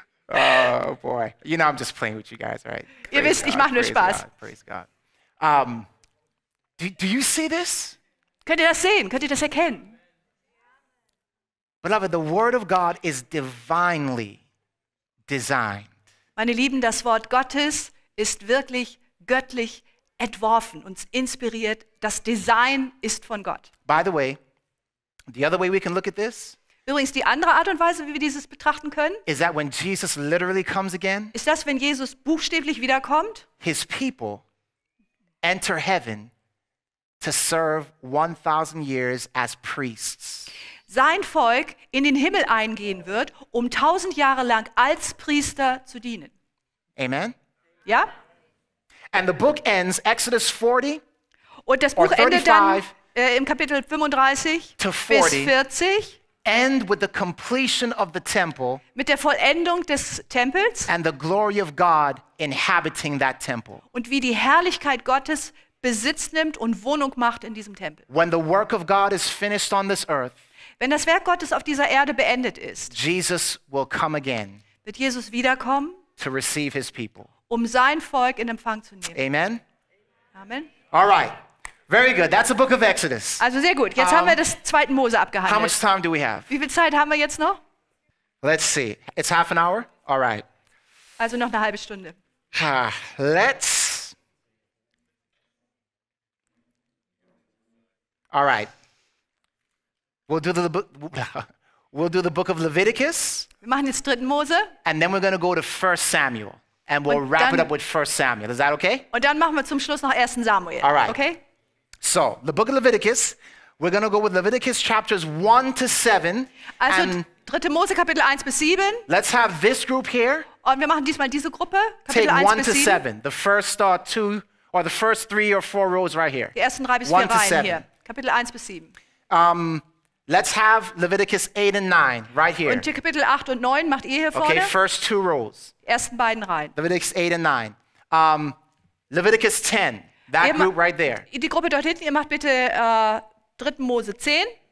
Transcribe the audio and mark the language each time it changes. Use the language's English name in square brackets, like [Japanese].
[English] Oh boy. You know I'm just playing with you guys, right? Praise [German] ihr wisst, [English] God. [German] Ich mache nur [English] praise [German] Spaß. [English] God. Praise God. Do you see this? [German] Könnt ihr das sehen? Könnt ihr das erkennen? [English] Beloved, the word of God is divinely designed. [German] Meine Lieben, das Wort Gottes ist wirklich göttlich entworfen und inspiriert. Das Design ist von Gott. [English] By the way, the other way we can look at this, [German] übrigens, die andere Art und Weise, wie wir dieses betrachten können, [English] is that when Jesus literally comes again, [German] ist das, wenn Jesus buchstäblich wiederkommt, [English] his people enter heaven to serve 1,000 years as priests. [German] Sein Volk in den Himmel eingehen wird, um 1,000 Jahre lang als Priester zu dienen. [English] Amen? [German] Ja? [English] And the book ends Exodus 40, [German] und das Buch endet dann im Kapitel 35 [English] to 40, [German] bis 40, [English] end with the completion of the temple, [German] mit der Vollendung des Tempels, [English] and the glory of God inhabiting that temple, [German] und wie die Herrlichkeit Gottes Besitz nimmt und Wohnung macht in diesem Tempel. [English] When the work of God is finished on this earth, [German] wenn das Werk Gottes auf dieser Erde beendet ist, [English] Jesus will come again, [German] wird Jesus wiederkommen, [English] to receive his people, [German] um sein Volk in Empfang zu nehmen. [English] Amen. Amen. All right. Very good. That's the book of Exodus. [German] Also sehr gut. Jetzt haben wir das zweite Mose abgehandelt. [English] How much time do we have? [German] Wie viel Zeit haben wir jetzt noch? [English] Let's see. It's half an hour. All right. [German] Also noch eine halbe Stunde. [English] Let's. All right. We'll do the book of Leviticus. [German] Wir machen jetzt dritten Mose. [English] And then we're going to go to 1 Samuel. And we'll wrap it up with 1 Samuel. Is that okay? [German] Und dann machen wir zum Schluss noch 1 Samuel. [English] All right. Okay? So, the book of Leviticus, we're going to go with Leviticus chapters 1 to 7. [German] Also, dritte Mose, Kapitel 1 bis 7. [English] Let's have this group here. [German] Und wir machen diesmal diese Gruppe, Kapitel 1 bis 7. [English] Take 1 to 7, the first two, or the first three or four rows right here. [German] Die ersten drei bis vier Reihen hier, Kapitel 1 bis 7. [English] Let's have Leviticus 8 and 9 right here. [German] Und Kapitel 8 und 9 macht ihr hier vorne. [English] Okay, first two rows. [German] Die ersten beiden Reihen. [English] Leviticus 8 and 9. Leviticus 10. That group right there. [German] Die Gruppe dort hinten, ihr macht bitte 3. Mose 10.